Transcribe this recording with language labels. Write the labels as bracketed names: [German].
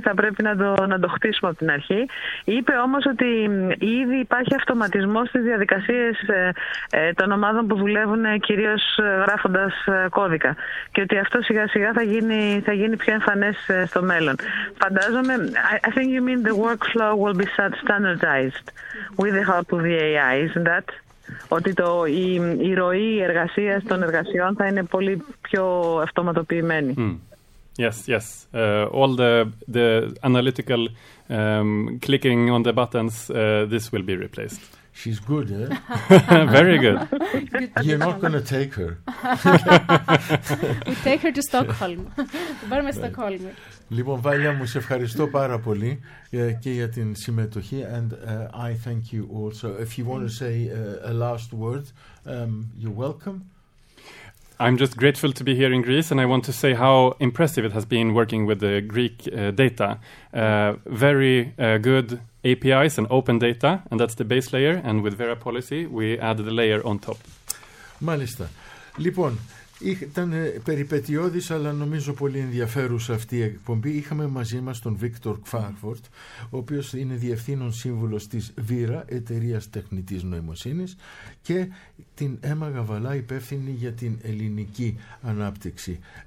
[Greek] Θα πρέπει να το χτίσουμε από την αρχή. Είπε όμως ότι ήδη υπάρχει αυτοματισμός στις διαδικασίες των ομάδων που δουλεύουν κυρίως γράφοντας κώδικα και ότι αυτό σιγά σιγά θα γίνει πιο εμφανές στο μέλλον. Φαντάζομαι, [English] I think you mean the workflow will be standardized with the help of the AI, isn't that? [Greek] Ότι η ροή εργασίας των εργασιών θα είναι πολύ πιο αυτοματοποιημένη. Mm. [English] Yes, yes. All the analytical clicking on the buttons, this will be replaced. She's good, eh? Very good. You're not going to take her. We take her to Stockholm. [Greek] Πάμε στο Stockholm. Λοιπόν, Βάλια μου, σε ευχαριστώ πάρα πολύ και για την συμμετοχή. [English] And I thank you also. If you want to say a last word, you're welcome. I'm just grateful to be here in Greece, and I want to say how impressive it has been working with the Greek data. Very good APIs and open data, and that's the base layer, and with Vera Policy, we add the layer on top. [Greek] Μάλιστα. Λοιπόν, ήταν περιπετειώδης, αλλά νομίζω πολύ ενδιαφέρουσα αυτή η εκπομπή. Είχαμε μαζί μας τον Βίκτορ Κφάρφορτ, ο οποίος είναι διευθύνων σύμβουλος της Vera, εταιρείας τεχνητής νοημοσύνης, και την Έμα Γαβαλά, υπεύθυνη για την ελληνική ανάπτυξη.